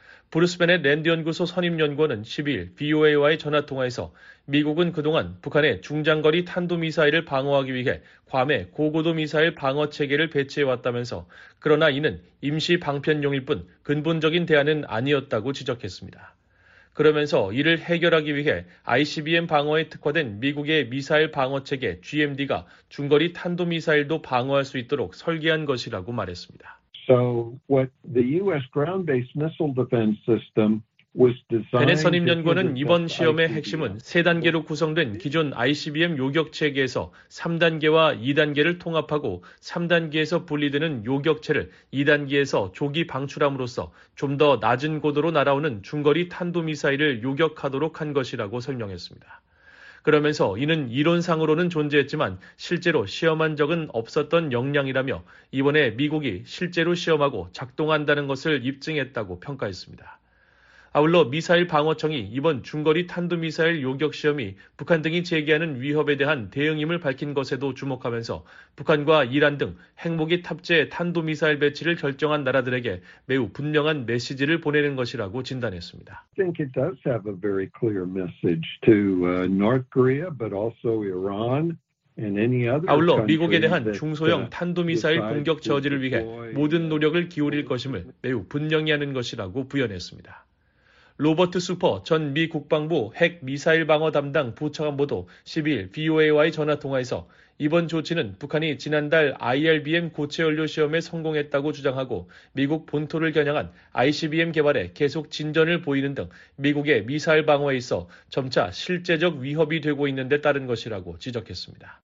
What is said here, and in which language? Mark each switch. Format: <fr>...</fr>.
<ko>브루스벤의 랜드연구소 선임연구원은 12일 VOA와의 전화통화에서 미국은 그동안 북한의 중장거리 탄도미사일을 방어하기 위해 괌에 고고도 미사일 방어 체계를 배치해왔다면서 그러나 이는 임시 방편용일 뿐 근본적인 대안은 아니었다고 지적했습니다. 그러면서 이를 해결하기 위해 ICBM 방어에 특화된 미국의 미사일 방어체계 GMD가 중거리 탄도미사일도 방어할 수 있도록 설계한 것이라고 말했습니다.</ko> <en>So what the US ground-based missile defense system was designed.</en> <ko>벤의 선임연구원은 이번 시험의 핵심은 3단계로 구성된 기존 ICBM 요격체계에서 3단계와 2단계를 통합하고 3단계에서 분리되는 요격체를 2단계에서 조기 방출함으로써 좀 더 낮은 고도로 날아오는 중거리 탄도미사일을 요격하도록 한 것이라고 설명했습니다. 그러면서 이는 이론상으로는 존재했지만 실제로 시험한 적은 없었던 역량이라며 이번에 미국이 실제로 시험하고 작동한다는 것을 입증했다고 평가했습니다. 아울러 미사일 방어청이 이번 중거리 탄도미사일 요격 시험이 북한 등이 제기하는 위협에 대한 대응임을 밝힌 것에도 주목하면서 북한과 이란 등 핵무기 탑재 탄도미사일 배치를 결정한 나라들에게 매우 분명한 메시지를 보내는 것이라고 진단했습니다.</ko> <en>I think it does have a very clear message to North Korea, but also Iran.</en> <ko>아울러 미국에 대한 중소형 탄도미사일 공격 저지를 위해 모든 노력을 기울일 것임을 매우 분명히 하는 것이라고 부연했습니다. 로버트 슈퍼 전 미 국방부 핵 미사일 방어 담당 부차관보도 12일 VOA와의 전화통화에서 이번 조치는 북한이 지난달 IRBM 고체 연료 시험에 성공했다고 주장하고 미국 본토를 겨냥한 ICBM 개발에 계속 진전을 보이는 등 미국의 미사일 방어에 있어 점차 실제적 위협이 되고 있는 데 따른 것이라고 지적했습니다.</ko>